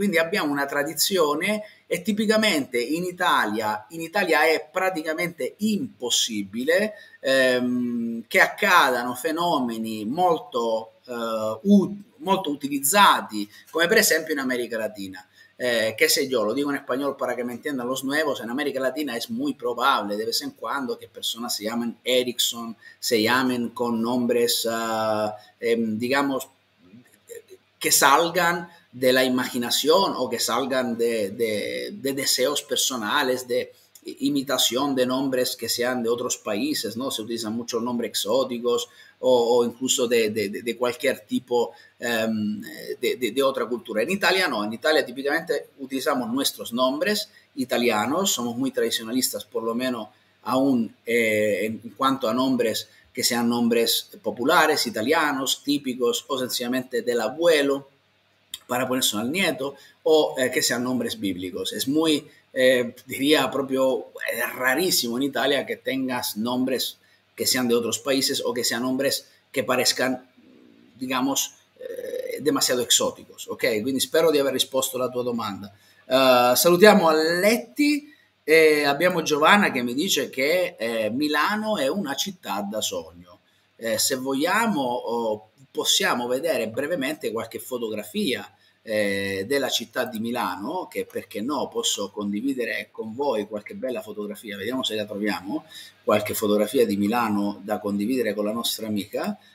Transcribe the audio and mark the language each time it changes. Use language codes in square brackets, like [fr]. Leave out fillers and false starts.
[it] Quindi abbiamo una tradizione e tipicamente in Italia è praticamente impossibile che accadano fenomeni molto molto utilizzati, come per esempio in America Latina. Che se io lo dico in [es] español para que me entiendan los nuevos, en América Latina es muy probable de vez en cuando que personas se llamen Erickson, se llamen con nombres, digamos, que salgan de la imaginación o que salgan de deseos personales, de imitación de nombres que sean de otros países, ¿no? Se utilizan muchos nombres exóticos o incluso de cualquier tipo de otra cultura. En Italia no, en Italia típicamente utilizamos nuestros nombres italianos, somos muy tradicionalistas, por lo menos aún en cuanto a nombres que sean nombres populares, italianos, típicos, o sencillamente del abuelo, para ponerse al nieto, o que sean nombres bíblicos. Es muy, diría propio, rarísimo en Italia que tengas nombres que sean de otros países o que sean nombres que parezcan, digamos, demasiado exóticos. [it] Ok, quindi spero di aver risposto alla tua domanda. Salutiamo Aletti. Abbiamo Giovanna che mi dice che Milano è una città da sogno. Se vogliamo, possiamo vedere brevemente qualche fotografia della città di Milano, che perché no posso condividere con voi qualche bella fotografia, vediamo se la troviamo, qualche fotografia di Milano da condividere con la nostra amica.